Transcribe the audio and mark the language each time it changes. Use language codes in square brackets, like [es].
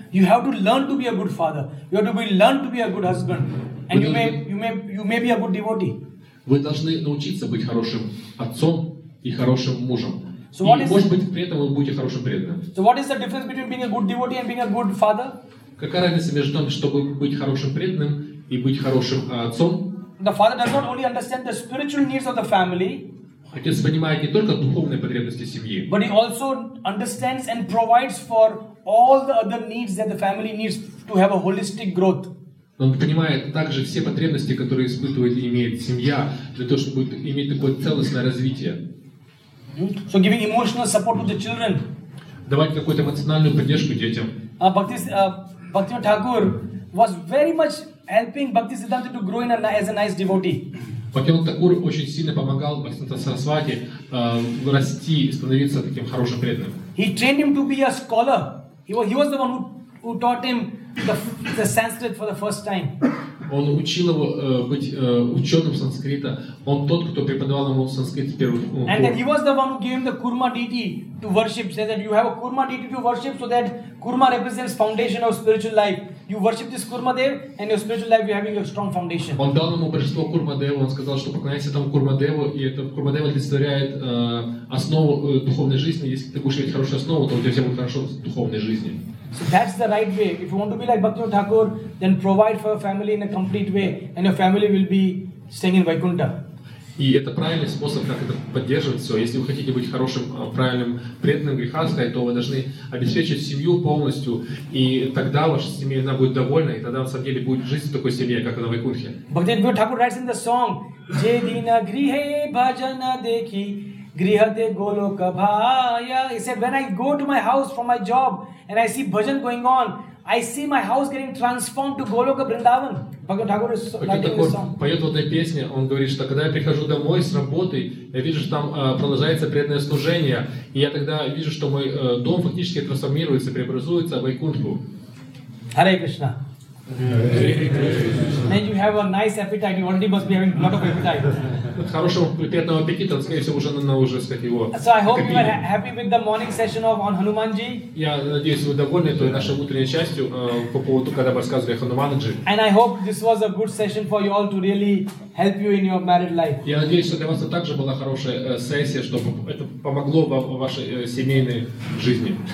[en] You have to learn to be a good father. You have to learn to be a good husband, and you may be a good devotee. [ru] Вы должны научиться быть хорошим отцом и хорошим мужем. [en] So what is? [ru] Может быть, при этом вы будете хорошим преданным. [en] So what is the difference between being a good devotee and being a good father? [ru] Какая разница между тем, чтобы быть хорошим преданным и быть хорошим отцом? [en] The father does not only understand the spiritual needs of the family. [ru] Отец понимает не только духовные потребности семьи. [en] But he also understands and provides for all the other needs that the family needs to have a holistic growth. [ru] Он понимает также все потребности, которые испытывает и имеет семья для того, чтобы иметь такое целостное развитие. [en] So giving emotional support to the children. [ru] Давать какую-то эмоциональную поддержку детям. [en] Bhaktivinoda Thakur was very much helping Bhakti Siddhanta to grow in as a nice devotee. [ru] Bhaktivinoda Thakur очень сильно помогал Бхактивинода Сарасвати расти и становиться таким хорошим преданным. [en] He trained him to be a scholar. He was the one who taught him the Sanskrit for the first time. [ru] Он учил его быть ученым санскрита. Он тот, кто преподавал ему санскрит впервые. [en] And then he was the one who gave him the Kurma deity to worship. Said that you have a Kurma deity to worship, so that Kurma represents foundation of spiritual life. You worship this Kurma Dev, and your spiritual life you're having a strong foundation. [ru] Он дал ему божество Kurma Dev. Он сказал, что поклоняйся этому Kurma Dev, и этот Kurma Dev олицетворяет основу духовной жизни. Если ты будешь иметь хорошую основу, то у тебя все будет хорошо в духовной жизни. [en] So that's the right way. If you want to be like Bhaktivinoda Thakur, then provide for your family in a complete way, and your family will be staying in Vaikuntha. [ru] И это правильный способ, как это поддерживать все. Если вы хотите быть хорошим, правильным преданным грихастхой, то вы должны обеспечить семью полностью, и тогда ваша семья будет довольна, и тогда на самом деле будет жизнь в такой семье, как на Вайкунхе. [en] Bhaktivinoda Thakur writes in the song, [bn] Jai Dina Grihe Bhajana Dekhi Grihate Goloka Bhaya. [en] He said, when I go to my house from my job and I see bhajan going on, I see my house getting transformed to Goloka Vrindavan. Bhagavad Thakur is writing this song. [ru] Поет в этой песне, он говорит, что когда я прихожу домой с работы, я вижу, что там продолжается преданное служение, и я тогда вижу, что мой дом фактически трансформируется, преобразуется в Вайкунтху. [en] Hare Krishna. And you have a nice appetite. You already must be having a lot of appetite. [ru] Хорошего приятного аппетита, скорее всего, уже на уже сказать его. [en] So I hope you are happy with the morning session of on Hanumanji. [ru] Я надеюсь, вы довольны той нашей утренней частью по поводу, когда мы рассказывали о Хануманджи. [en] And I hope this was a good session for you all to really help you in your married life. [ru] Я надеюсь, что для вас это также была хорошая сессия, чтобы это помогло вам в вашей семейной жизни.